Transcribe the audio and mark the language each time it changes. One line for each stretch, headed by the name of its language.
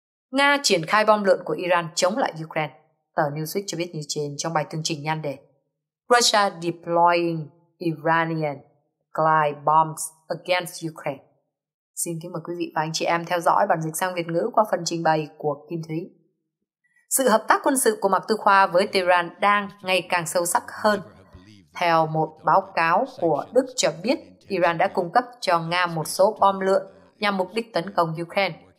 Vietnamese: Nga triển khai bom lượn của Iran chống lại Ukraine, tờ Newsweek cho biết như trên trong bài tường trình nhan đề
English: Russia deploying Iranian glide bombs against Ukraine.
Vietnamese: Xin kính mời quý vị và anh chị em theo dõi bản dịch sang Việt ngữ qua phần trình bày của Kim Thúy. Sự hợp tác quân sự của Mạc Tư Khoa với Tehran đang ngày càng sâu sắc hơn. Theo một báo cáo của Đức cho biết, Iran đã cung cấp cho Nga một số bom lượn nhằm mục đích tấn công Ukraine.